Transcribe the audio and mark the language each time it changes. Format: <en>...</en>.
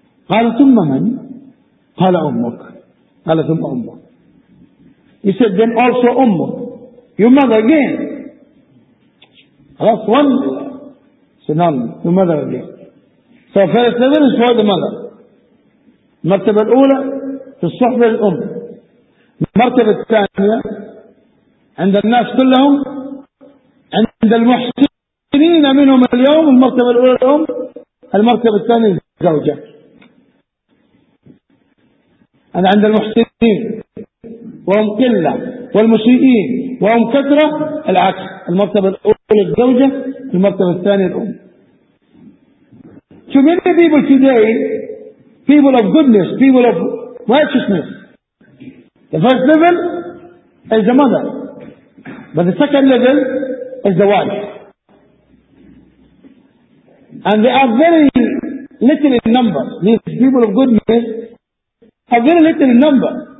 <ar>قال ثم من؟ قال أمك. قال ثم أمك.</ar> <en>He said then also أمك. Your mother again. خلاص one. So now your mother again. So first level is for the mother.</en> <ar>المرتبة الأولى في الصحبة الأم. المرتبة الثانية عند الناس كلهم عند المحسنين منهم اليوم المرتبة الأولى الأم. المرتبة الثانية الزوجة. أنا عند المحسنين وهم قلة والمسيئين وهم كثرة العكس. المرتبة الأولى الزوجة المرتبة الثانية الأم.</ar> <en>So many people today, people of goodness, people of righteousness. The first level is the mother. But the second level is the wife. And they are very little in number. These people of goodness are very little in number.</en>